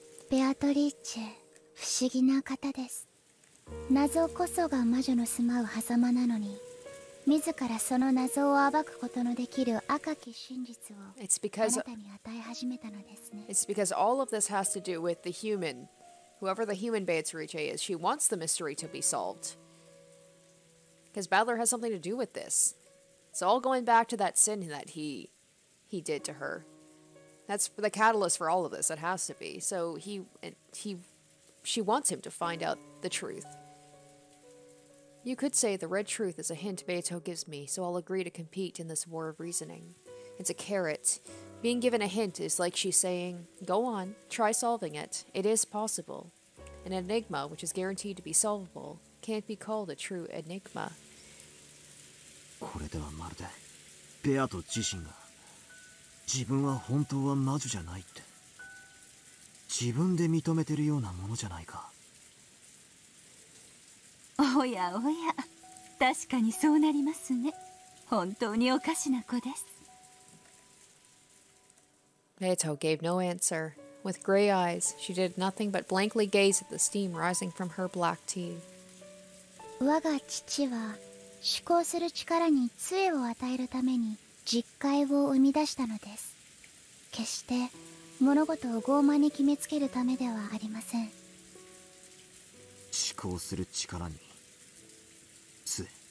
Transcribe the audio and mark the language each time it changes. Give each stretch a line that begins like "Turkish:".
Japanese: ベアトリーチェ、不思議な方です。謎こそが魔女の住まう狭間なのに、自らその謎を暴くことのできる赤き真実をあなたに与え始めたのですね。
English: It's because all of this has to do with the human. Whoever the human Beatrice is, she wants the mystery to be solved. Because Battler has something to do with this. It's all going back to that sin that he did to her. That's the catalyst for all of this. It has to be. So she wants him to find out the truth. You could say the red truth is a hint Beato gives me, so I'll agree to compete in this war of reasoning. It's a carrot. Being given a hint is like she's saying, go on, try solving it. It is possible. An enigma, which is guaranteed to be solvable, can't be called a true enigma.
Japanese: これではまるでベアト自身が自分は本当は魔女じゃないって自分で認めてるようなものじゃないか。おやおや、確かにそうなりますね。本当におかしな子です。
English: ベート gave no answer. With gray eyes, she did nothing but blankly gaze at the steam rising from her black tea.
Japanese: 我が父は思考する力に杖を与えるために実戒を生み出したのです。決して物事を傲慢に決めつけるためではありません。思考する力に杖。